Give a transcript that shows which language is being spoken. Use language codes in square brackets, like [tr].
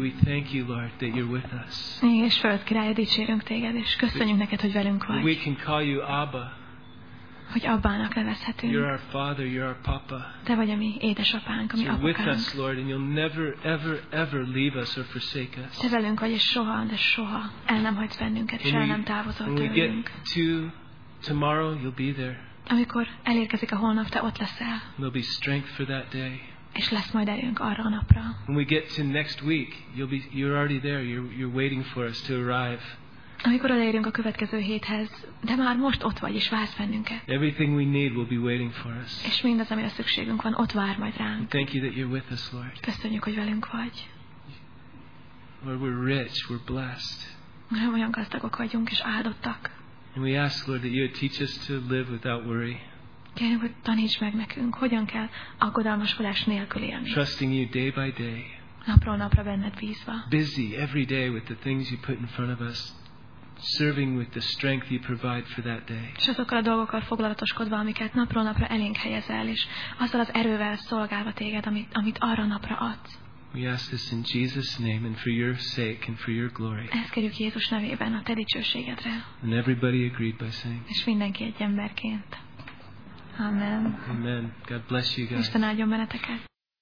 [en] We thank you, Lord, that you're with us. [hu] És föld királya, dicsérünk téged, és köszönjük neked, hogy velünk vagy. [en] We can call you Abba. [hu] Hogy Abbának nevezhetünk. [en] You're our Father, you're our Papa. [hu] Te vagy a mi édesapánk, a mi apukánk. [en] With us, Lord, and you'll never, ever, ever leave us or forsake us. [hu] Te velünk vagy, és soha, de soha el nem hagysz bennünket, és el nem távozol tőlünk. [en] When we get to tomorrow, you'll be there. [hu] Amikor elérkezik a holnap, te ott leszel. [en] There'll be strength for that day. [hu] És lesz majd erőnk arra a napra. [en] When we get to next week, you're already there. You're waiting for us to arrive. [hu] Amikor elérünk a következő héthez, de már most ott vagy és vársz bennünket. [en] Everything we need will be waiting for us. [hu] És mindaz, amire szükségünk van, ott vár majd ránk. [en] Thank you that you're with us, Lord. [hu] Köszönjük, hogy velünk vagy. [en] Lord, we're rich, we're blessed. [hu] Nagyon olyan gazdagok vagyunk és áldottak. [en] And we ask, Lord, that you would teach us to live without worry. [hu] Kérjük, hogy taníts meg nekünk, hogyan kell aggodalmaskodás nélkül élni. [en] Trusting you day by day. [hu] Napról napra benned bízva. [en] Busy every day with the things you put in front of us, serving with the strength you provide for that day. [hu] És azokkal a dolgokkal foglalatoskodva, amiket napról napra elénk helyezel, és azzal az erővel szolgálva téged, amit arra napra adsz. [en] We ask this in Jesus' name and for your sake and for your glory. [hu] Ezt kérjük Jézus nevében, a te dicsőségedre. [en] And everybody agreed by saying. [hu] És mindenki egy emberként. Amen. [en] Amen. God bless you guys. [hu] Isten áldjon benneteket.